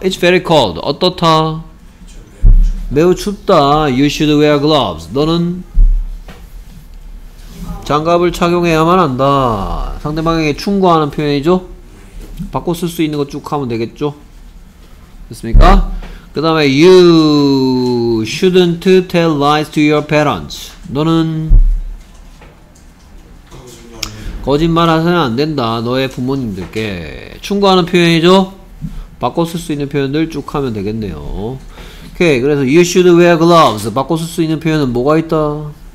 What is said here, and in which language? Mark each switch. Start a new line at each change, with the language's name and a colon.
English: It's very cold.
Korean: 어떻다? 매우 춥다.
English: You should wear gloves.
Korean: 너는 장갑을 착용해야만 한다. 상대방에게 충고하는 표현이죠? 바꿔 쓸 수 있는 거 쭉 하면 되겠죠? 됐습니까? 그 다음에
English: You shouldn't tell lies to your parents.
Korean: 너는 거짓말 하서는 안 된다. 너의 부모님들께 충고하는 표현이죠? 바꿔 쓸 수 있는 표현들 쭉 하면 되겠네요. 오케이. 그래서
English: You should wear gloves.
Korean: 바꿔 쓸 수 있는 표현은 뭐가 있다?